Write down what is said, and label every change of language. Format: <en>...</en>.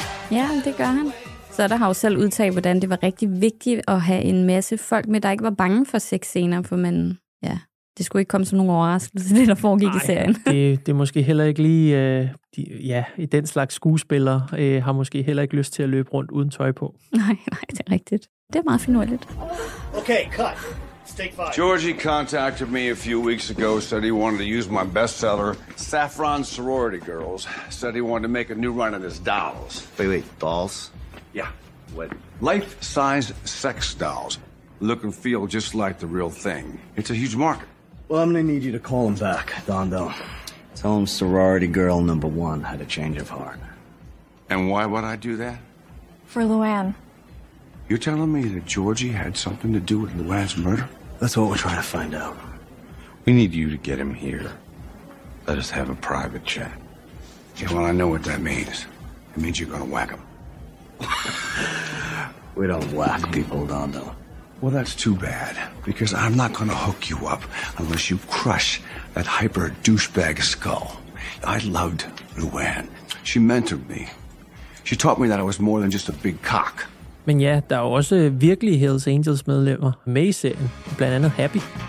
<da>Ja, det gør han. Så der har jo selv udtalt, hvordan det var rigtig vigtigt at have en masse folk med, der ikke var bange for sexscener, for man, ja, det skulle ikke komme som nogen overraskelse, det der foregik i serien. Det er måske heller ikke lige, i den slags skuespiller har måske heller ikke lyst til at løbe rundt uden tøj på. Nej, det er rigtigt. Det er meget finurligt.</da> <en>Okay, cut. Stake 5. Georgie contacted me a few weeks ago, said he wanted to use my bestseller, Saffron Sorority Girls, said he wanted to make a new run on his dolls. Wait, dolls? Yeah, what? Life-size sex dolls. Look and feel just like the real thing. It's a huge market. Well, I'm gonna need you to call him back, Dondo. Tell him sorority girl number one had a change of heart. And why would I do that? For Luann. You're telling me that Georgie had something to do with Luann's murder? That's what we're trying to find out. We need you to get him here. Let us have a private chat. Yeah, well, I know what that means. It means you're gonna whack him. We don't whack people, Dondo. Well, that's too bad, because I'm not going to hook you up unless you crush that hyper-douchebag skull. I loved Luann. She mentored me. She taught me that I was more than just a big cock.</en> <da>Men ja, der er også virkelig Hells Angels medlemmer med i serien, blandt andet Happy.</da>